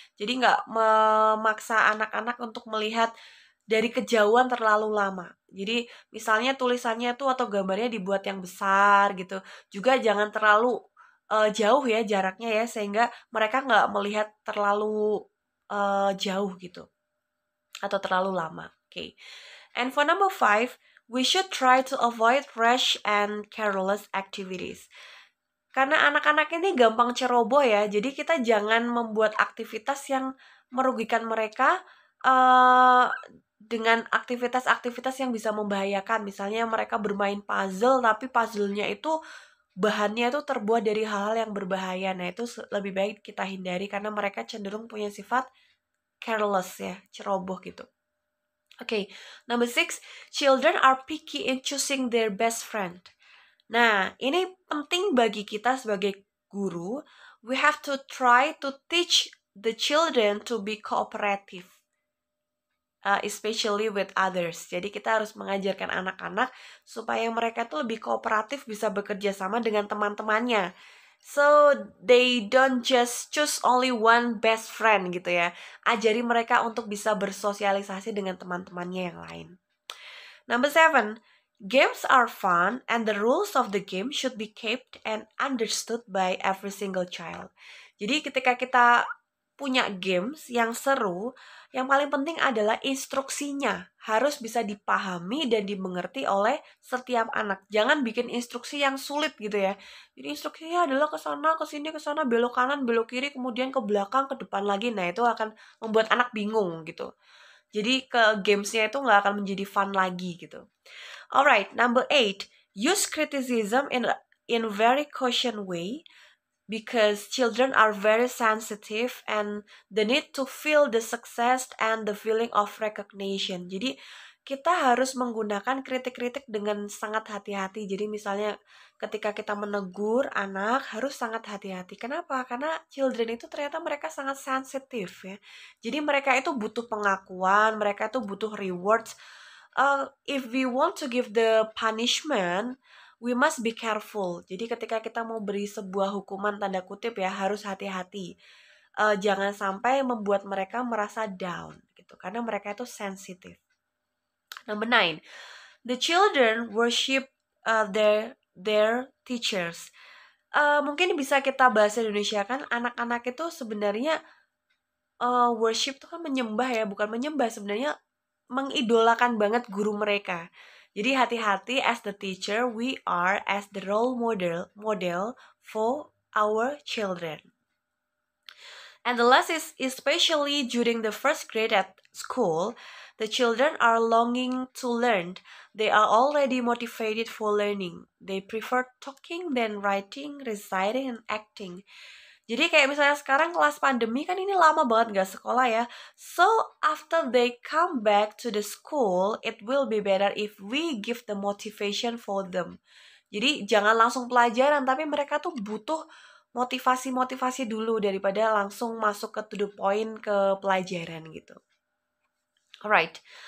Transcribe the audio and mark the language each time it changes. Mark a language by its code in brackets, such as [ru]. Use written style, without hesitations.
[id] Jadi nggak memaksa anak-anak untuk melihat dari kejauhan terlalu lama. Jadi misalnya tulisannya tuh atau gambarnya dibuat yang besar gitu. Juga jangan terlalu jauh ya jaraknya ya, sehingga mereka nggak melihat terlalu jauh gitu atau terlalu lama. Okay. [en] And for number five, we should try to avoid rash and careless activities. [id] Karena anak-anak ini gampang ceroboh ya, jadi kita jangan membuat aktivitas yang merugikan mereka dengan aktivitas-aktivitas yang bisa membahayakan. Misalnya mereka bermain puzzle, tapi puzzlenya itu bahannya itu terbuat dari hal-hal yang berbahaya. Nah, itu lebih baik kita hindari karena mereka cenderung punya sifat careless ya, ceroboh gitu. [en] Okay, number six, children are picky in choosing their best friend. [id] Nah, ini penting bagi kita sebagai guru. [en] We have to try to teach the children to be cooperative. Especially with others. [id] Jadi kita harus mengajarkan anak-anak supaya mereka tuh lebih kooperatif, bisa bekerja sama dengan teman-temannya. [en] So they don't just choose only one best friend gitu ya. [id] Ajari mereka untuk bisa bersosialisasi dengan teman-temannya yang lain. [en] Number seven, games are fun and the rules of the game should be kept and understood by every single child. [id] Jadi ketika kita punya games yang seru, yang paling penting adalah instruksinya harus bisa dipahami dan dimengerti oleh setiap anak. Jangan bikin instruksi yang sulit gitu ya. Jadi instruksinya adalah ke sana, ke sini, ke sana, belok kanan, belok kiri, kemudian ke belakang, ke depan lagi. Nah, itu akan membuat anak bingung gitu. Jadi ke gamesnya itu nggak akan menjadi fun lagi gitu. [en] Alright, number eight, use criticism in very cautious way. Because children are very sensitive and the need to feel the success and the feeling of recognition. [id] Jadi kita harus menggunakan kritik-kritik dengan sangat hati-hati. Jadi misalnya ketika kita menegur anak harus sangat hati-hati. Kenapa? Karena children itu ternyata mereka sangat sensitif ya. Jadi mereka itu butuh pengakuan, mereka itu butuh rewards. [en] If we want to give the punishment, we must be careful. [id] Jadi ketika kita mau beri sebuah hukuman, tanda kutip ya, harus hati-hati. Jangan sampai membuat mereka merasa down gitu, karena mereka itu sensitif. [en] Number nine, the children worship their teachers. [id] Mungkin bisa kita bahasa Indonesia kan, anak-anak itu sebenarnya worship itu kan menyembah ya, bukan menyembah, sebenarnya mengidolakan banget guru mereka. Jadi hati-hati, [en] as the teacher, we are as the role model for our children. And the last is, especially during the first grade at school, the children are longing to learn. They are already motivated for learning. They prefer talking than writing, reciting, and acting. [id] Jadi kayak misalnya sekarang kelas pandemi kan ini lama banget nggak sekolah ya. [en] So after they come back to the school, it will be better if we give the motivation for them. [id] Jadi jangan langsung pelajaran, tapi mereka tuh butuh motivasi-motivasi dulu daripada langsung masuk ke to the point ke pelajaran gitu. Alright.